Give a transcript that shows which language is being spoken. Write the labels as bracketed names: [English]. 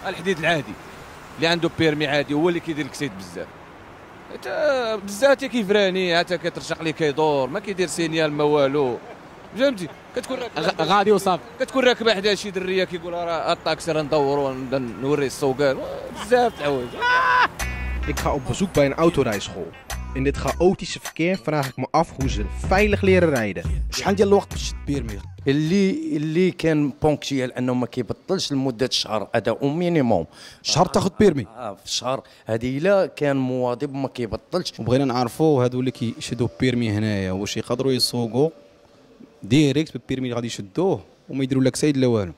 [Arabic] الحديد العادي اللي عنده بيرمي عادي هو اللي كيدير الكسيد بزاف حتى بزاف كيفراني حتى كترشق ليه كيدور ما كيدير سينيال ما والو فهمتي كتكون راكبه غادي وصافي كتكون راكبه حدا شي دريه كيقول راه الطاكسي راه ندورو نوري السوقان بزاف تعوج [Dutch] Ik ga op bezoek bij een autorijschool. In dit chaotische verkeer vraag ik me af hoe ze veilig leren rijden. [Arabic] شحال ديال الوقت باش تبير ميغ؟ اللي كان بونكتيال انه ما كيبطلش لمده شهر هذا او مينيموم. شهر تاخذ بيرمي؟ في شهر هذه الا كان مواظب ما كيبطلش. وبغينا نعرفوا هادو اللي كيشدوا بيرمي هنايا واش يقدروا يسوقوا ديريكت بالبيرمي اللي غادي يشدوه؟ وما يديروا لك سيد لا والو